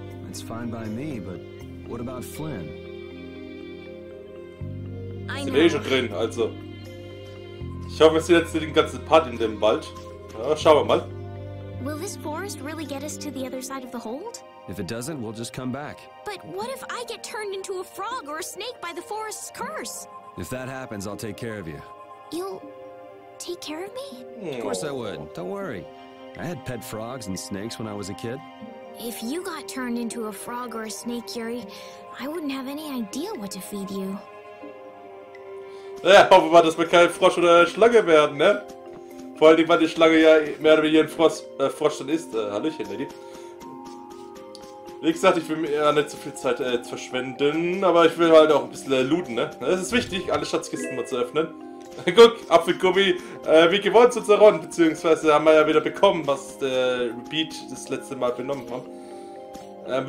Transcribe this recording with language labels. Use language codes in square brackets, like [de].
[en] It's fine by me, but what about Flynn? I know. [de] Sind eh schon drin, also. Ich hoffe, es ist jetzt den ganzen Part in dem Wald. Ja, schauen wir mal. [en] Will this forest really get us to the other side of the hold? If it doesn't, we'll just come back. But what if I get turned into a frog or a snake by the forest's curse? If that happens, I'll take care of you. You'll take care of me? Of course I would. Don't worry. I had pet frogs and snakes when I was a kid. If you got turned into a frog or a snake, Yuri, I wouldn't have any idea what to feed you. [de] Ja, hoffen wir mal, dass wir kein Frosch oder Schlange werden, ne? Vor allem, weil die Schlange ja mehr oder weniger ein Frosch dann ist. Hallöchen, Lady. Wie gesagt, ich will mir ja nicht so viel Zeit zu verschwenden, aber ich will halt auch ein bisschen looten, ne? Es ist wichtig, alle Schatzkisten mal zu öffnen. Guck, Apfelgummi, wie gewohnt zu zerronnen, beziehungsweise haben wir ja wieder bekommen, was der Repeat das letzte Mal benommen hat.